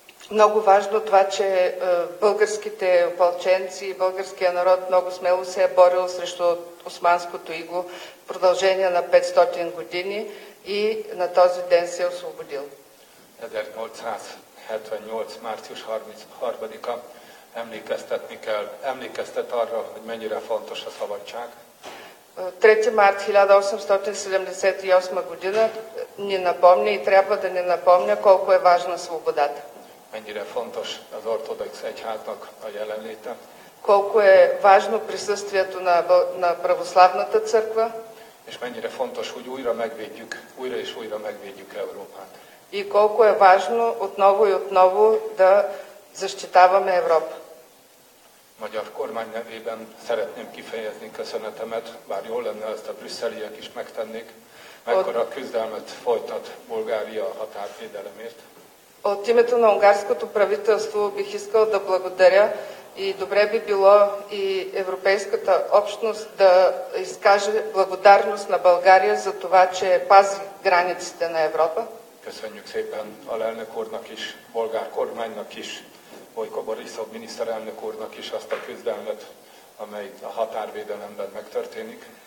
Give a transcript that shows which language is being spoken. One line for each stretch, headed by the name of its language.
Bulgarian: Много важно това, че българските ополченци и българския народ много смело се е борил срещу османското иго в продължение на 500 години и на този ден се е освободил.
Hungarian: 1878 március 33-a emlékeztetni kell, emlékeztet arra, hogy mennyire fontos a szabadság.
Bulgarian: 3 март 1878 година ни напомня и трябва да ни напомня колко е важна свободата.
Hungarian: Mennyire fontos az ortodox egyháznak a jelenléte.
Bulgarian: Колко е важно присъствието на православната църква.
Hungarian: És mennyire fontos, hogy újra megvédjük, újra és újra megvédjük Európát.
Bulgarian: И колко е важно отново и отново да защитаваме Европа.
Hungarian: Magyar kormány nevében szeretném kifejezni köszönetemet, bár jól lenne ezt a brüsszeliek is megtennék, mekkora küzdelmet folytat Bulgária határvédelemért.
Bulgarian: От името на унгарското правителство бих искал да благодаря и добре би било и европейската общност да изкаже благодарност на България за това, че пази границите на Европа.
Hungarian: Köszönjük szépen alelnök úrnak is, bolgár kormánynak is, Bojko Borisov miniszterelnök úrnak is azt a küzdelmet, amely a határvédelemben megtörténik.